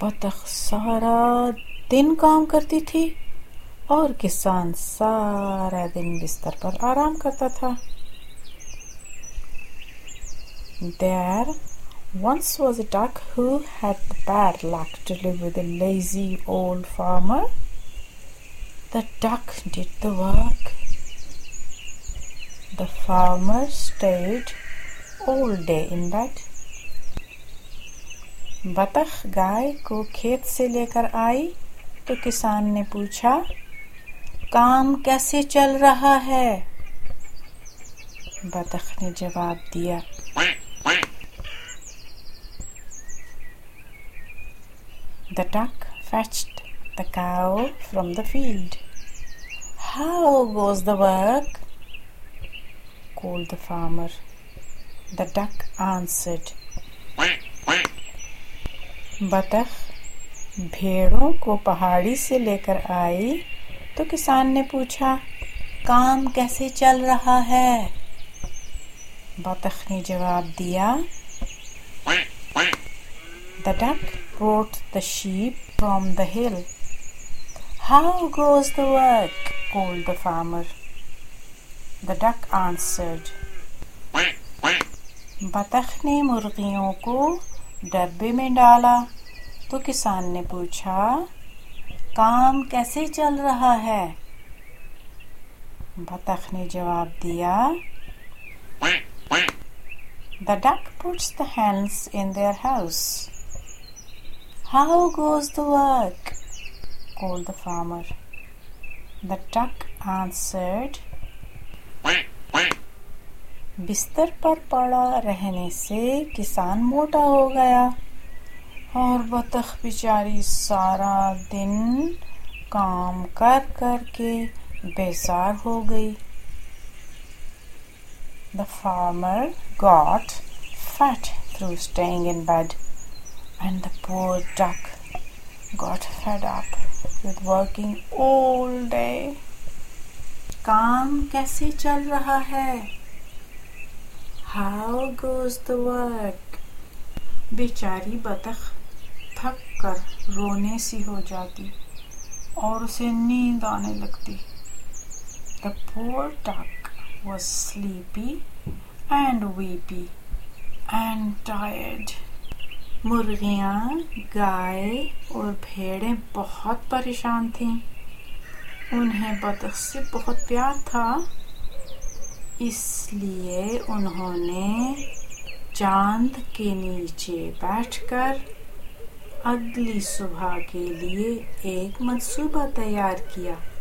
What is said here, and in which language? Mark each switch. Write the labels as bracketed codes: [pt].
[hi] बतख सारा दिन काम करती थी और किसान सारा दिन बिस्तर पर आराम करता था। [en] There once was a duck who had the bad luck to live with a lazy old farmer. The duck did the work. The farmer stayed all day in bed. [hi] बतख गाय को खेत से लेकर आई तो किसान ने पूछा, काम कैसे चल रहा है? बतख ने जवाब दिया, [en] The duck fetched the cow from the field. How was the work? called the farmer. The duck answered. [hi] बतख भेड़ों को पहाड़ी से लेकर आई तो किसान ने पूछा, काम कैसे चल रहा है? बतख ने जवाब दिया, [en] The duck brought the sheep from the hill. How goes the work? called the farmer. The duck answered. [hi] बतख ने मुर्गियों को डब्बे में डाला तो किसान ने पूछा, काम कैसे चल रहा है? बतख ने जवाब दिया, [en] The duck puts the hens in their house. How goes the work? called the farmer. The duck answered, [hi] बिस्तर पर पड़ा रहने से किसान मोटा हो गया और बतख बेचारी सारा दिन काम कर कर के बेजार हो गई। [en] The farmer got fat through staying in bed and the poor duck got fed up with working all day. [hi] काम कैसे चल रहा है? [en] How goes the work? [hi] बेचारी बतख थक कर रोने सी हो जाती और उसे नींद आने लगती। [en] The poor duck was sleepy and weepy and tired. [hi] मुर्गियाँ, गाय और भेड़ें बहुत परेशान थीं। उन्हें बतख से बहुत प्यार था, इसलिए उन्होंने चांद के नीचे बैठकर अगली सुबह के लिए एक मंसूबा तैयार किया।